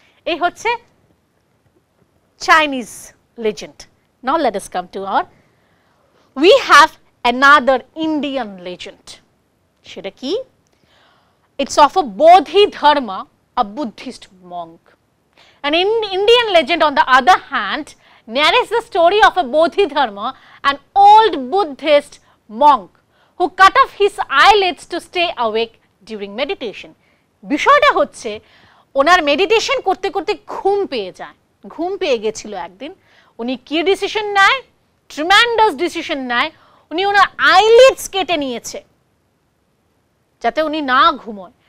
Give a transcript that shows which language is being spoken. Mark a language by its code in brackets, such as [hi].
[bn] এই হচ্ছে Chinese legend. [en] Now let us come to our, we have another Indian legend. [bn] সেটা কি? [en] It's of a Bodhidharma, a Buddhist monk. An Indian legend, on the other hand, narrates the story of a Bodhidharma, an old Buddhist monk who cut off his eyelids to stay awake during meditation. [bn] Bishoyta hocche, onar meditation korte korte ghum peye jay. ঘুম পেয়ে গেছিল একদিন, উনি কি decision নেয়, ট্রিম্যান্ডাস decision নেয়, উনি ওনার আইলিডস কেটে নিয়েছে যাতে উনি না ঘুমোয়।